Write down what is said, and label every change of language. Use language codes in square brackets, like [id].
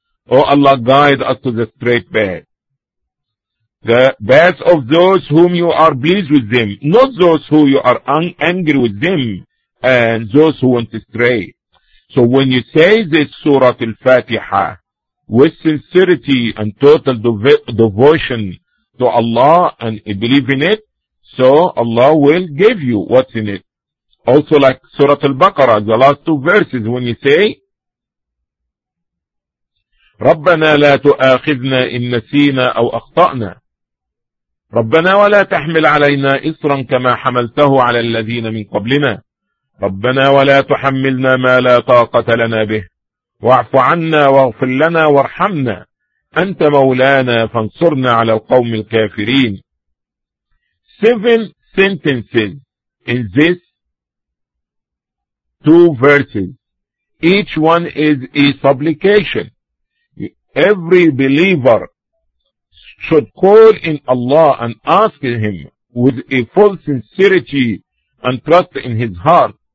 [en] Oh Allah, guide us to the straight path. The path of those whom you are pleased with them, not those who you are angry with them, and those who went astray. So when you say this Surah Al-Fatiha with sincerity and total devotion to Allah and believe in it, so Allah will give you what's in it. Also like Surah Al-Baqarah, the last two verses, when you say, [ar] رَبَّنَا لَا تُؤَاخِذْنَا إِن نَسِيْنَا أَوْ أَخْطَأْنَا رَبَّنَا وَلَا تَحْمِلْ عَلَيْنَا إِصْرًا كَمَا حَمَلْتَهُ عَلَى الَّذِينَ مِنْ قَبْلِنَا ربنا ولا تحملنا ما لا طاقة لنا به واعف عنا واغفر لنا وارحمنا أنت مولانا فانصرنا على القوم الكافرين. [en] 7 sentences in these 2 verses. Each one is a supplication. Every believer should call in Allah and ask Him with a full sincerity and trust in His heart.